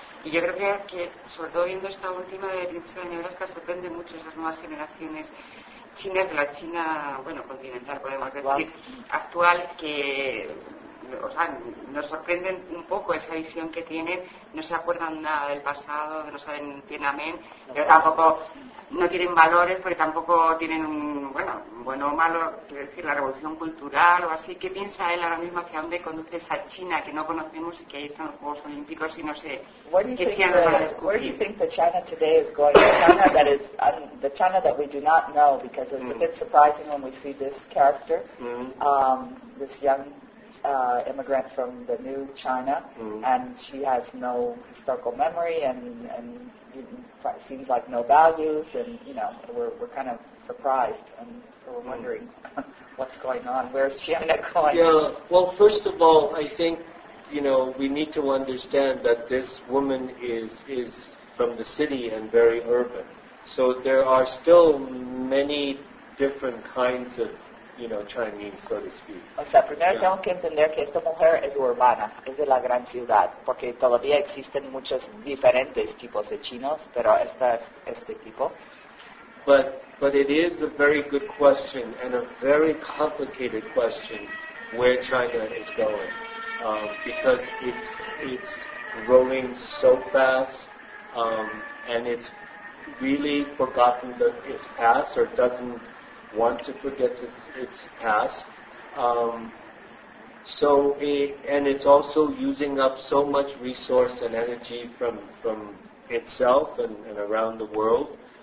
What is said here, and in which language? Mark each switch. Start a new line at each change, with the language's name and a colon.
Spanish: Y yo creo que, sobre todo viendo esta última de Princesa de Nebraska, sorprende mucho esas nuevas generaciones chinas, de la China, bueno, continental, podemos decir, actual, que, o sea, nos sorprenden un poco esa visión que tienen, no se acuerdan nada del pasado, no saben Tiananmen, pero tampoco, no tienen valores, porque tampoco tienen, bueno o malo, quiero decir, la revolución cultural o así. ¿Qué piensa él ahora mismo hacia dónde conduce esa China que no conocemos y que ahí están los Juegos Olímpicos y no sé qué China nos va a descubrir?
English: Where do you think the China today is going? The China that is, the China that we do not know, because it's a bit surprising when we see this character, this young immigrant from the new China, and she has no historical memory and it seems like no values, and you know, we're kind of surprised, and so we're wondering what's going on. Where's China going? Yeah. Well, first of all, I think we need to understand that this woman is from the city and very urban, so there are still many different kinds of Chinese, so to speak.
Spanish: O sea, primero tengo que entender que esta mujer es urbana, es de la gran ciudad, porque todavía existen muchos diferentes tipos de chinos, pero esta es este tipo.
English: But it is a very good question and a very complicated question where China is going, because it's growing so fast, and it's really forgotten its past or doesn't want to forget its past, and it's also using up so much resource and energy from itself and around the world.